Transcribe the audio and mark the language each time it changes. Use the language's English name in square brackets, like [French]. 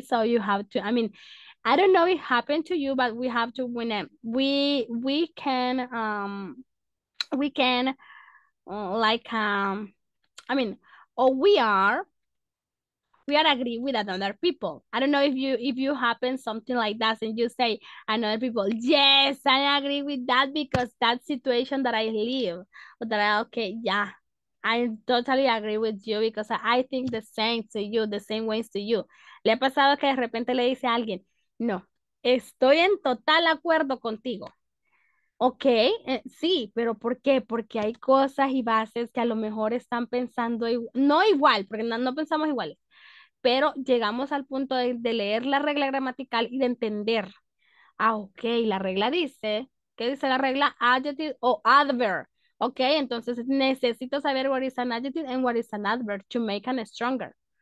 [English] So you have to, I mean, I don't know if it happened to you, but we have to, when we agree with another people. I don't know if you happen something like that and you say another people, yes, I agree with that because that situation that I live, that I, okay, yeah, I totally agree with you because I think the same to you, the same ways to you. [Spanish] Le ha pasado que de repente le dice a alguien, no, estoy en total acuerdo contigo. Ok, sí, pero ¿por qué? Porque hay cosas y bases que a lo mejor están pensando, no igual, porque no pensamos iguales, pero llegamos al punto de leer la regla gramatical y de entender. Ah, ok, la regla dice, ¿qué dice la regla? [English] Adjective o adverb. [Spanish] Ok, entonces necesito saber [English] what is an adjective and what is an adverb to make it stronger.